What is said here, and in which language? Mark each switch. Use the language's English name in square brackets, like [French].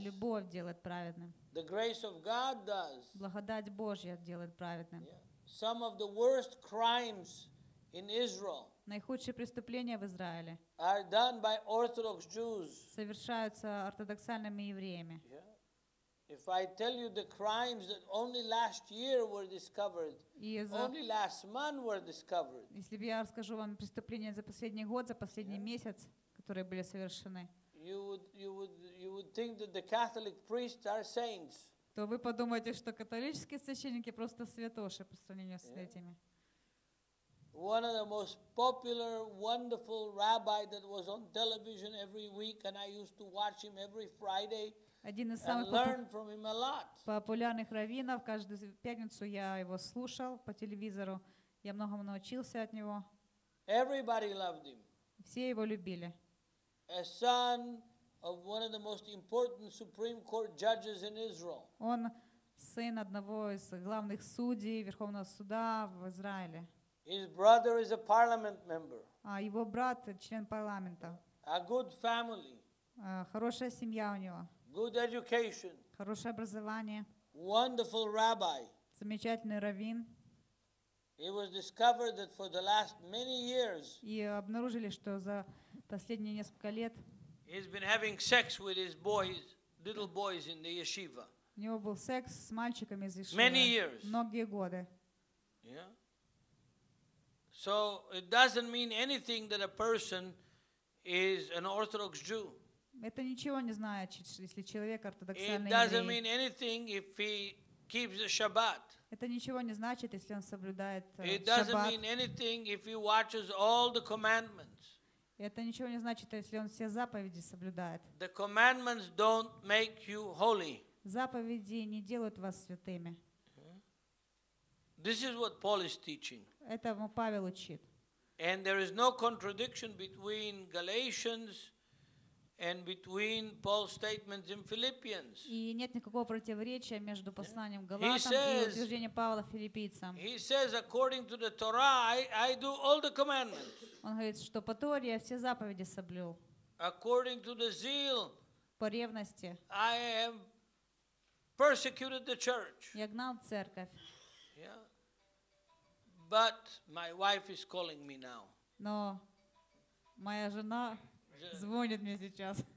[Russian] Любовь делает праведным. [English] The grace of God does. [Russian] Благодать Божья делает праведным. [English] Yeah. Some of the worst crimes in Israel. [Russian] Наихудшие преступления в Израиле. [English] Are done by Orthodox Jews. [Russian] Совершаются ортодоксальными евреями. [English] Yeah. If I tell you the crimes that only last year were discovered, only last month were discovered. [Russian] Если бы я расскажу вам преступления за последний год, за последний месяц, которые были совершены. [English] You would think that the Catholic priests are saints. [Russian] То вы подумаете, что католические священники просто святоши по сравнению с этими. [English] One of the most popular, wonderful rabbi that was on television every week, and I used to watch him every Friday. [Russian] Один из самых популярных раввинов. Каждую пятницу я его слушал по телевизору. Я многому научился от него. [English] Everybody loved him. [Russian] Все его любили. [English] A son of one of the most important Supreme Court judges in Israel. [Russian] Он сын одного из главных судей Верховного суда в Израиле. [English] His brother is a parliament member. [Russian] А его брат член парламента. [English] A good family. [Russian] Хорошая семья у него. [English] Good education. [Russian] Хорошее образование. [English] Wonderful rabbi. [Russian] Замечательный раввин. [English] It was discovered that for the last many years. [Russian] И обнаружили, что за последние несколько лет. [English] He's been having sex with his boys, little boys in the yeshiva. [Russian] У него был секс с мальчиками из yeshiva. [English] Many years. [Russian] Многие годы. [English] Yeah. So it doesn't mean anything that a person is an Orthodox Jew. [Russian] Это ничего не значит, если человек ортодоксальный еврей. [English] It doesn't mean anything if he keeps the Shabbat. [Russian] Это ничего не значит, если он соблюдает Shabbat. [English] It doesn't mean anything if he watches all the commandments. [Russian] Это ничего не значит, если он все заповеди соблюдает. [English] The commandments don't make you holy. [Russian] Заповеди не делают вас святыми. [English] This is what Paul is teaching. [Russian] Этому Павел учит. [English] And there is no contradiction between Galatians and between Paul's statements in Philippians. [Russian] И нет никакого противоречия между посланием Галатам и утверждением Павла Филиппийцам. [English] He says, according to the Torah, I do all the commandments. [Russian] Он говорит, что по Торе я все заповеди соблюл. [English] According to the zeal, [Russian] по ревности, [English] I have persecuted the church. [Russian] Я гнал церковь. [English] But my wife is calling me now. [Russian] Но моя жена звонит мне сейчас.